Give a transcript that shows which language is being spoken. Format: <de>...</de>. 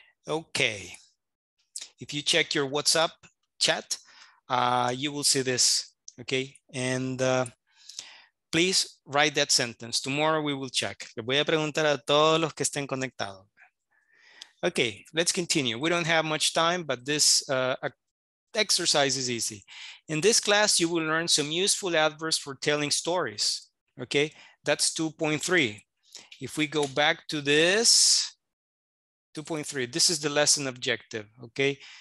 <en>Okay, if you check your WhatsApp chat, you will see this, okay? And please write that sentence. Tomorrow we will check.</en> <es>Le voy a preguntar a todos los que estén conectados.</es> <en>Okay, let's continue. We don't have much time, but this exercise is easy. In this class, you will learn some useful adverbs for telling stories, okay? That's 2.3. If we go back to this, 2.3, this is the lesson objective, okay?</en>